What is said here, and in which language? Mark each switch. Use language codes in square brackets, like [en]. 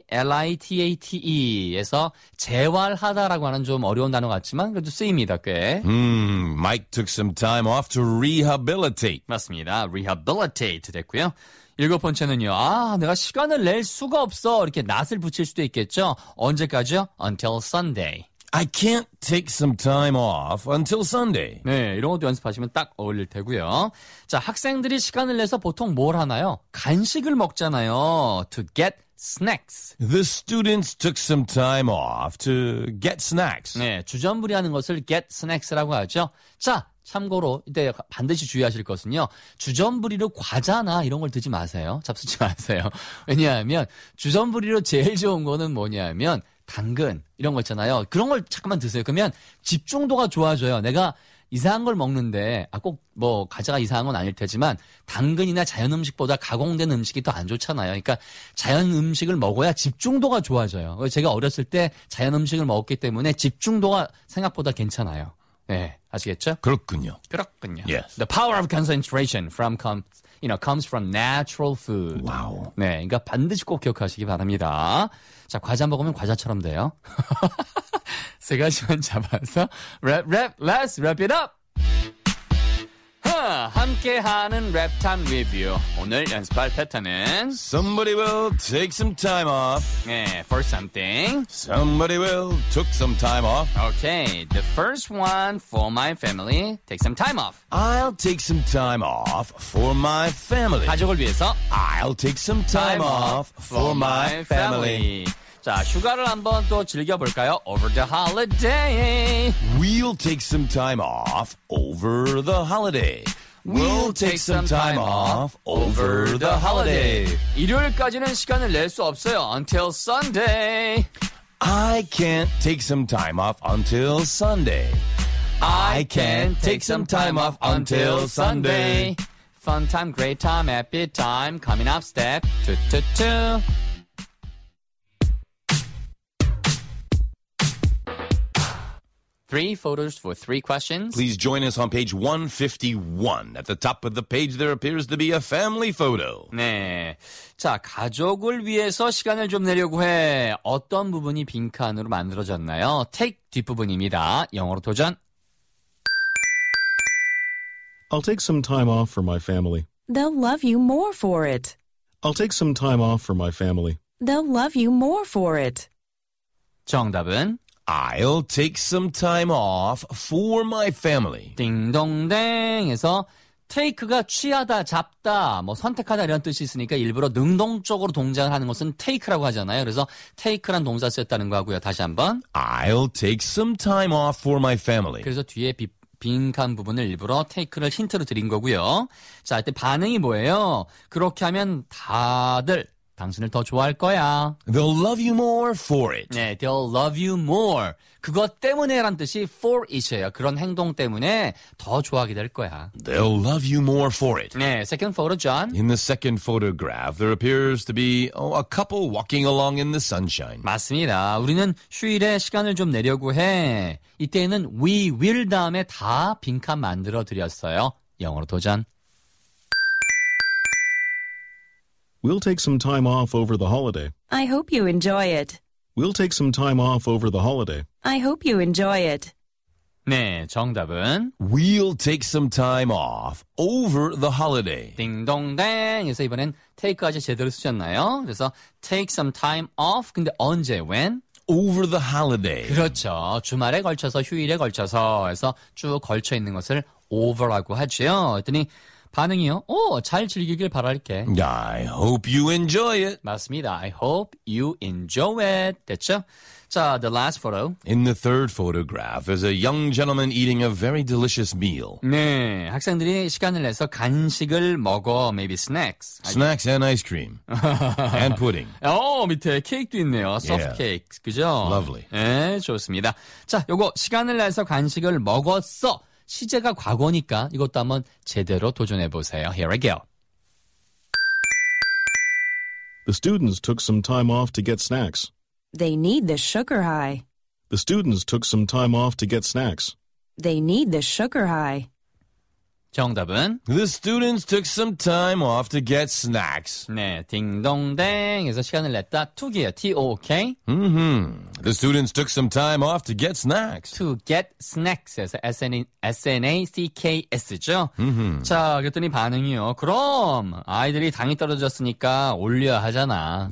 [ko] R-E-H-A-B-I-L-I-T-A-T-E 에서 재활하다라고 하는 좀 어려운 단어 같지만 그래도 쓰입니다, 꽤. [en] Mike took some time off to rehabilitate. [ko] 맞습니다. Rehabilitate 됐고요. 일곱 번째는요. 아, 내가 시간을 낼 수가 없어. 이렇게 낯을 붙일 수도 있겠죠. 언제까지요? [en] Until Sunday. I can't take some time off until Sunday. [ko] 네, 이런 것도 연습하시면 딱 어울릴 테고요. 자, 학생들이 시간을 내서 보통 뭘 하나요? 간식을 먹잖아요. [en] To get snacks. The students took some time off to get snacks. [ko] 네, 주전부리하는 것을 [en] get snacks [ko] 라고 하죠. 자, 참고로 이때 반드시 주의하실 것은요. 주전부리로 과자나 이런 걸 드지 마세요. 잡수지 마세요. 왜냐하면 주전부리로 제일 좋은 거는 뭐냐면 당근 이런 거 있잖아요. 그런 걸 잠깐만 드세요. 그러면 집중도가 좋아져요. 내가 이상한 걸 먹는데 아 꼭 뭐 과자가 이상한 건 아닐 테지만 당근이나 자연 음식보다 가공된 음식이 더 안 좋잖아요. 그러니까 자연 음식을 먹어야 집중도가 좋아져요. 제가 어렸을 때 자연 음식을 먹었기 때문에 집중도가 생각보다 괜찮아요. 네, 아시겠죠? 그렇군요. 그렇군요. [en] Yes. The power of concentration from comes from natural food. [ko] 와우. 네, 그러니까 반드시 꼭 기억하시기 바랍니다. 자, 과자 먹으면 과자처럼 돼요. 세 가지만 잡아서 랩, [en] rap, let's wrap it up. [ko] 함께하는 랩 타임 리뷰. 오늘 연습할 패턴은 [en] Somebody will take some time off. 네, for something. Somebody will took some time off. Okay, the first one for my family. Take some time off. I'll take some time off for my family. [ko] 가족을 위해서 [en] I'll take some time off for my family. [ko] 자, 휴가를 한번 또 즐겨볼까요? [en] Over the holiday. We'll take some time off over the holiday. We'll take some time off over the holiday. [ko] 일요일까지는 시간을 낼 수 없어요. [en] Until Sunday. I can't take some time off until Sunday. I can't take some time off until Sunday. Fun time, great time, happy time. Coming up, step two, two, two. 3 photos for 3 questions. Please join us on page 151. At the top of the page, there appears to be a family photo. [ko] 네. 자, 가족을 위해서 시간을 좀 내려고 해. 어떤 부분이 빈칸으로 만들어졌나요? Take 뒷부분입니다. 영어로 도전. [en] I'll take some time off for my family. They'll love you more for it. I'll take some time off for my family. They'll love you more for it. [ko] 정답은? [en] I'll take some time off for my family. [ko] 딩동댕에서 take가 취하다, 잡다, 뭐 선택하다 이런 뜻이 있으니까 일부러 능동적으로 동작을 하는 것은 take라고 하잖아요. 그래서 take란 동사 쓰였다는 거 하고요. 다시 한번. [en] I'll take some time off for my family. [ko] 그래서 뒤에 빈칸 부분을 일부러 take를 힌트로 드린 거고요. 자, 이때 반응이 뭐예요? 그렇게 하면 다들 당신을 더 좋아할 거야. [en] They'll love you more for it. 네, they'll love you more. [ko] 그것 때문에란 뜻이 for it이에요. 그런 행동 때문에 더 좋아하게 될 거야. [en] They'll love you more for it. 네, second photo, John. In the second photograph, there appears to be a couple walking along in the sunshine. [ko] 맞습니다. 우리는 휴일에 시간을 좀 내려고 해. 이때는 [en] we will [ko] 다음에 다 빈칸 만들어드렸어요. 영어로 도전. [en] We'll take some time off over the holiday. I hope you enjoy it. We'll take some time off over the holiday. I hope you enjoy it. [ko] 네, 정답은 [en] We'll take some time off over the holiday. [ko] 딩동댕. 그래서 이번엔 take까지 제대로 쓰셨나요? 그래서 [en] take some time off. [ko] 근데 언제? When? [en] Over the holiday. [ko] 그렇죠. 주말에 걸쳐서, 휴일에 걸쳐서 해서 쭉 걸쳐 있는 것을 over라고 하죠. 그랬더니 반응이요? 오, 잘 즐기길 바랄게. [en] I hope you enjoy it. [ko] 맞습니다. [en] I hope you enjoy it. [ko] 됐죠? 자, [en] the last photo. In the third photograph is a young gentleman eating a very delicious meal. [ko] 네, 학생들이 시간을 내서 간식을 먹어. [en] Maybe snacks. Snacks and ice cream. and pudding. [ko] 오, 밑에 케이크도 있네요. [en] Soft cake. 그죠? Lovely. [ko] 네, 좋습니다. 자, 요거 시간을 내서 간식을 먹었어. 시제가 과거니까 이것도 한번 제대로 도전해 보세요. [en] Here we go. The students took some time off to get snacks. They need the sugar high. The students took some time off to get snacks. They need the sugar high. [ko] 정답은 [en] The students took some time off to get snacks. [ko] 네, 딩동댕. 그래서 시간을 냈다. Took이에요. T-O-K. Mm-hmm. [en] The students took some time off to get snacks. To get snacks. [ko] 그래서 S-N-A-C-K-S죠. Mm-hmm. 자, 그랬더니 반응이요. 그럼 아이들이 당이 떨어졌으니까 올려야 하잖아.